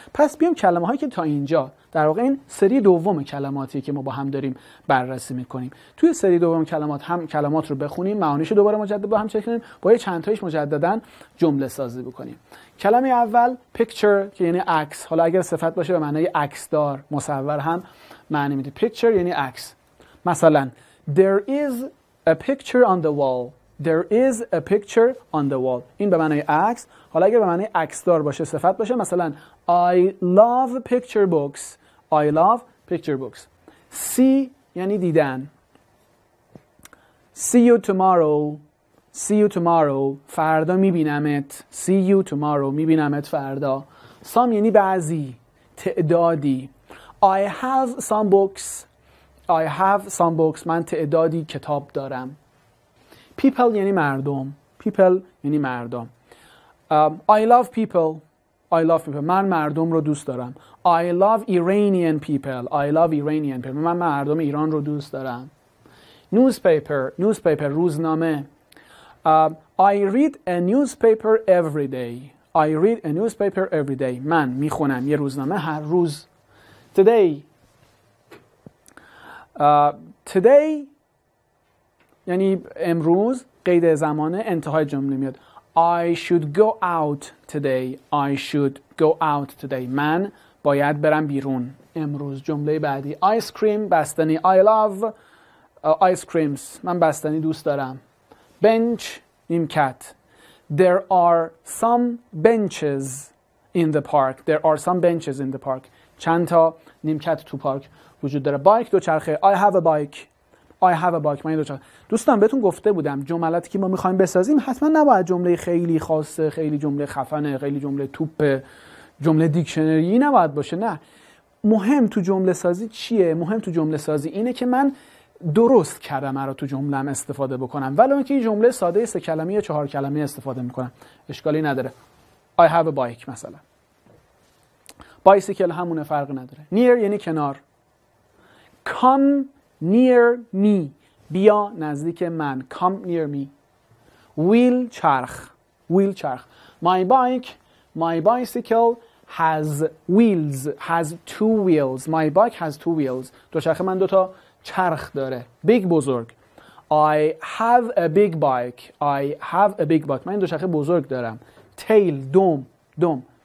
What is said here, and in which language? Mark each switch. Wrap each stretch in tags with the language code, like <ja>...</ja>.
<fa>پس بیام کلمه هایی که تا اینجا، در واقع این سری دوم کلماتی که ما با هم داریم بررسی میکنیم، توی سری دوم کلمات هم کلمات رو بخونیم، معانیش رو دوباره مجدد با هم چک کنیم، با یه چند تایش مجددا جمله سازی بکنیم. کلمه اول picture که یعنی عکس، حالا اگر صفت باشه به معنای عکسدار، مصور هم معنی میده، picture یعنی عکس.</fa> <en>مثلا there is a picture on the wall، there is a picture on the wall،</en> <fa>این به معنای عکس. حالا اگر به معنای عکسدار باشه، صفت باشه، مثلا</fa> <en>I love picture books،</en> <fa>I love picture books. See یعنی دیدن.</fa> <en>See you tomorrow، see you tomorrow،</en> <fa>فردا میبینمت.</fa> <en>See you tomorrow،</en> <fa>میبینمت فردا. Some یعنی بعضی، تعدادی.</fa> <en>I have some books، I have some books،</en> <fa>من تعدادی کتاب دارم. People یعنی مردم، people یعنی مردم.</fa> <en>I love people، I love people،</en> <fa>من مردم رو دوست دارم.</fa> <en>I love Iranian people، I love Iranian people،</en> <fa>من مردم ایران رو دوست دارم.</fa> <en>Newspaper، newspaper، روزنامه. I read a newspaper every day، I read a newspaper every day،</en> <fa>من میخونم یه روزنامه هر روز. Today، today یعنی امروز، قید زمانه، انتهای جمله میاد.</fa> <en>I should go out today، I should go out today،</en> <fa>من باید برم بیرون امروز. جمله بعدی ice cream، بستنی.</fa> <en>I love ice creams،</en> <fa>من بستنی دوست دارم. bench نیمکت.</fa> <en>There are some benches in the park، there are some benches in the park،</en> <fa>چند تا نیمکت تو پارک وجود داره. bike دوچرخه.</fa> <en>I have a bike، I have a bike،</en> <fa>من دو چرخ. دوستان بهتون گفته بودم جملاتی که ما میخوایم بسازیم حتما نباید جمله خیلی خاصه، خیلی جمله خفنه، خیلی جمله توپه، جمله دیکشنری نباید باشه. نه، مهم تو جمله سازی چیه؟ مهم تو جمله سازی اینه که من درست کلمه رو تو جملم استفاده بکنم، ولی اینکه این جمله ساده سه کلمه یا چهار کلمه استفاده میکنم اشکالی نداره.</fa> <en>I have a bike مثلا. bicycle</en> <fa>همونه، فرق نداره.</fa> <en>near یعنی کنار. come near me،</en> <fa>بیا نزدیک من.</fa> <en>come near me.</en> <fa>wheel چرخ، wheel چرخ.</fa> <en>my bike، my bicycle has wheels، has two wheels، my bike has two wheels،</en> <fa>دوچرخه من دوتا چرخ داره. big بزرگ.</fa> <en>I have a big bike، I have a big bike،</en> <fa>من دوچرخه بزرگ دارم.</fa> <en>tail دوم، دوم.</en>